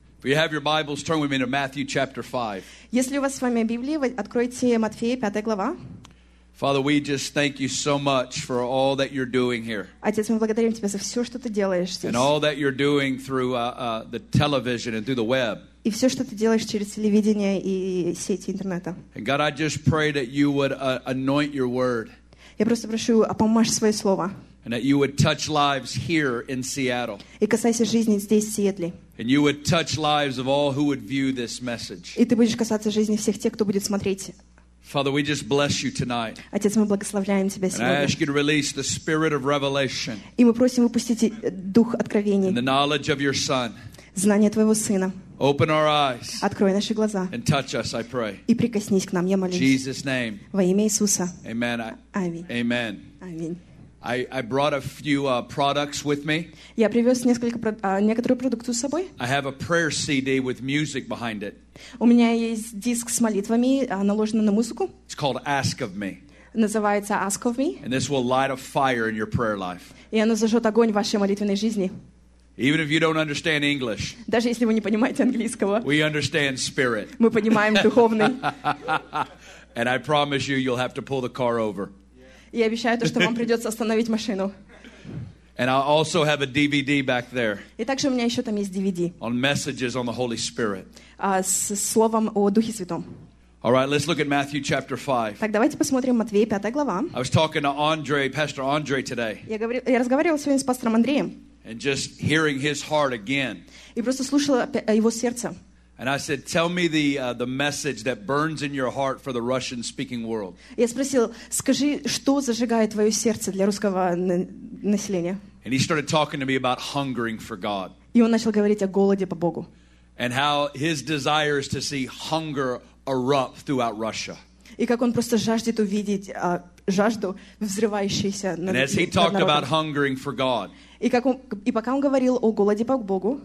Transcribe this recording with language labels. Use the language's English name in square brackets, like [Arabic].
[English] If you have your Bibles, turn with me to Matthew chapter 5. [Russian] Если у вас с вами Библия, откройте Матфея, 5 глава. [English] Father, we just thank you so much for all that you're doing here. [Russian] Отец, мы благодарим тебя за все, что ты делаешь здесь. [English] And all that you're doing through the television and through the web. [Russian] И все, что ты делаешь через телевидение и сети интернета. [English] And God, I just pray that you would anoint your word. [Russian] Я просто прошу, помажь свое слово. [English] And that you would touch lives here in Seattle. [Russian] И касайся жизни здесь, в Сиэтле. [English] And you would touch lives of all who would view this message. [Russian] И ты будешь касаться жизни всех тех, кто будет смотреть. [English] Father, we just bless you tonight. [Russian] Отец, мы благословляем тебя сегодня. [English] And I ask you to release the spirit of revelation. [Russian] И мы просим выпустить дух откровения. [English] And the knowledge of your son. [Russian] Знание твоего сына. [English] Open our eyes. [Russian] Открой наши глаза. [English] And touch us, I pray. [Russian] И прикоснись к нам, я молюсь. [English] Jesus' name. [Russian] Во имя Иисуса. [English] Amen. [Russian] Аминь. [English] Amen. [Russian] Аминь. [English] I brought a few products with me. [Russian] Я привез некоторую продукцию с собой. [English] I have a prayer CD with music behind it. [Russian] У меня есть диск с молитвами, наложенный на музыку. [English] It's called Ask of Me. [Russian] Называется Ask of Me. [English] And this will light a fire in your prayer life. [Russian] И оно зажжет огонь в вашей молитвенной жизни. [English] Even if you don't understand English, [Russian] даже если вы не понимаете английского, [English] we understand spirit. [Russian] Мы понимаем духовный. [English] And I promise you, you'll have to pull the car over. [Russian] Я обещаю то, что вам придется остановить машину. [English] And I also have a DVD back there. [Russian] И также у меня еще там есть DVD. [English] On messages on the Holy Spirit. [Russian] С словом о Духе Святом. [English] All right, let's look at Matthew chapter 5. [Russian] Так давайте посмотрим Матвей, 5 глава. [English] I was talking to Andre, Pastor Andre today. [Russian] Я разговаривал сегодня с пастором Андреем. [English] And just hearing his heart again. [Russian] И просто слушала его сердце. [English] And I said, "Tell me the message that burns in your heart for the Russian-speaking world." [Russian] Я спросил, скажи, что зажигает твое сердце для русского населения. [English] And he started talking to me about hungering for God. [Russian] И он начал говорить о голоде по Богу. [English] And how his desire is to see hunger erupt throughout Russia. [Russian] И как он просто жаждет увидеть жажду, взрывающуюся над народом. [English] And as he talked about hungering for God. [Russian] И пока он говорил о голоде по Богу,